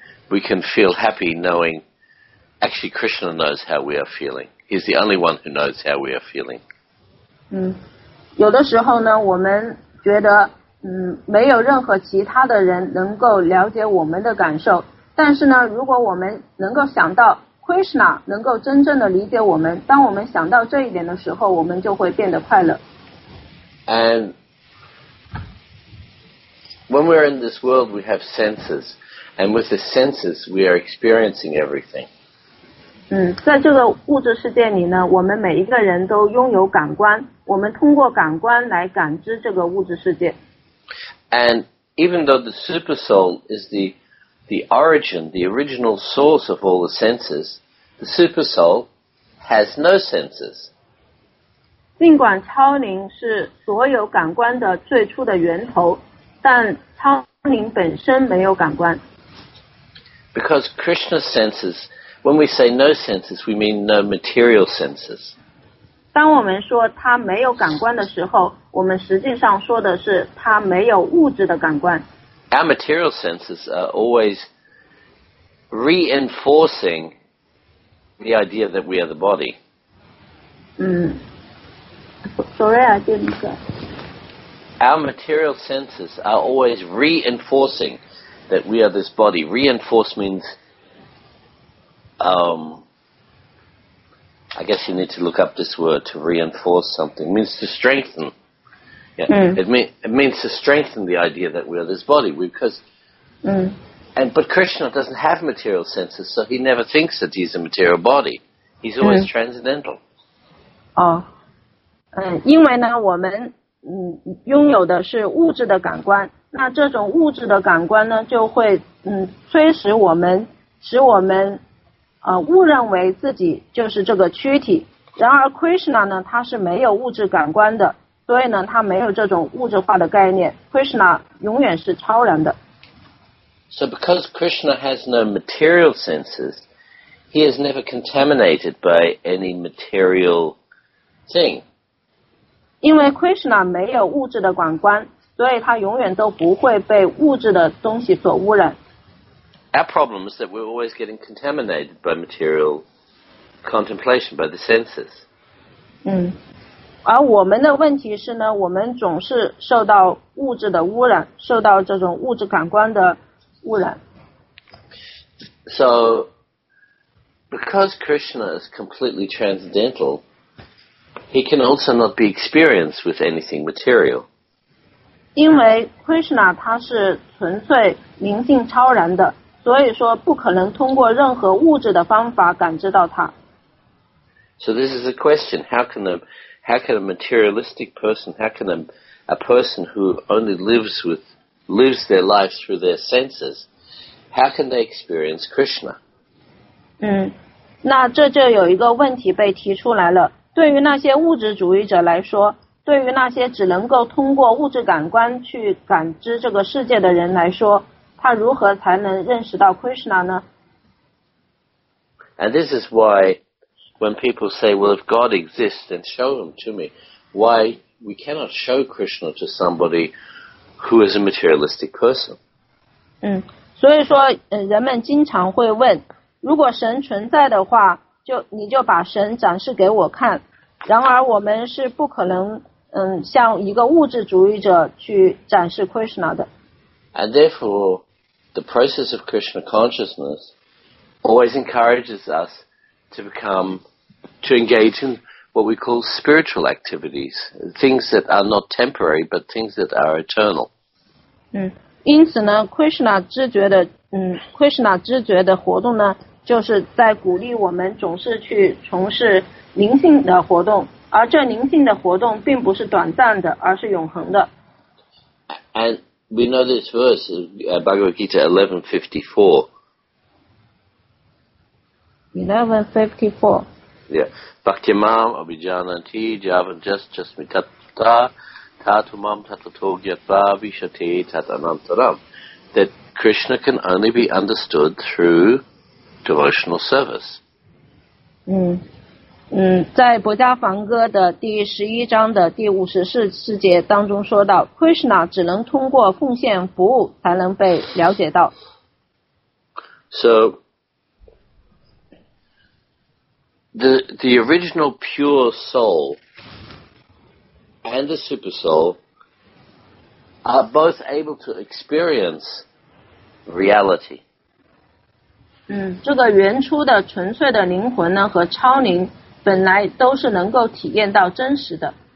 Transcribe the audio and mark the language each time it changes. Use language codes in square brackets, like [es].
[en] We can feel happy knowing actually Krishna knows how we are feeling. He's the only one who knows how we are feeling. [zh] 有的时候呢，我们觉得没有任何其他的人能够了解我们的感受。但是呢，如果我们能够想到 Krishna 能够真正的理解我们，当我们想到这一点的时候，我们就会变得快乐。 [en] And When we're in this world, we have senses, and with the senses, we are experiencing everything. [zh] 在这个物质世界里呢，我们每一个人都拥有感官，我们通过感官来感知这个物质世界。 [en] And even though the super soul is the origin, the original source of all the senses, the super soul has no senses. [zh] 尽管超灵是所有感官的最初的源头，但超灵本身没有感官。 [en] Because Krishna's senses, when we say no senses, we mean no material senses. [zh] 当我们说他没有感官的时候，我们实际上说的是他没有物质的感官。 [en] Our material senses are always reinforcing the idea that we are the body. Sorry, I didn't get. Our material senses are always reinforcing that we are this body. Reinforce means, I guess you need to look up this word to reinforce something. It means to strengthen. It means to strengthen the idea that we are this body. But Krishna doesn't have material senses, so he never thinks that he's a material body. He's always transcendental. [zh] 因为呢，我们拥有的是物质的感官，那这种物质的感官呢，就会催使我们，使我们误认为自己就是这个躯体。然而 Krishna 呢，他是没有物质感官的，所所以呢，他没有这种物质化的概念。 Krishna 永远是超然的。 [en] So because Krishna has no material senses, he is never contaminated by any material thing. [zh] 因为 Krishna 没有物质的感官，所以他永远都不会被物质的东西所污染。 [en] Our problem is that we're always getting contaminated by material contemplation, by the senses. [zh] 嗯，而我们的问题是呢，我们总是受到物质的污染，受到这种物质感官的污染。 [en] So, because Krishna is completely transcendental, he can also not be experienced with anything material. [zh] 因为 Krishna 他是纯粹宁静超然的。所以说不可能通过任何物质的方法感知到它。 [en] So this is a question. How can a materialistic person, how can a person who only lives their life through their senses, how can they experience Krishna? [zh] 嗯，那这就有一个问题被提出来了。对于那些物质主义者来说，对于那些只能够通过物质感官去感知这个世界的人来说，他如何才能认识到 Krishna 呢？ [en] And this is why when people say, well, if God exists, then show him to me. Why we cannot show Krishna to somebody who is a materialistic person. [zh] 嗯，所以说人们经常会问，如果神存在的话，你就把神展示给我看。然而我们是不可能向一个物质主义者去展示 Krishna 的。 [en] And therefore, the process of Krishna consciousness always encourages us to engage in what we call spiritual activities, things that are not temporary, but things that are eternal. [zh] 嗯，因此呢 ，Krishna 知觉的活动呢，就是在鼓励我们总是去从事灵性的活动，而这灵性的活动并不是短暂的，而是永恒的。 [en] And we know this verse, Bhagavad Gita 11:54. Yeah. [sa] Bhakti mam abhijananti javanjas jasmitatta tatumam tatatogyatva vishate tatanantaram. [en] That Krishna can only be understood through devotional service. [zh] 在《薄伽梵歌》的第十一章的第五十四世节当中说到 ，Krishna 只能通过奉献服务才能被了解到。 [en] So the original pure soul and the super soul are both able to experience reality. [zh] 这个原初的纯粹的灵魂呢和超灵。本来都是能够体验到真实的。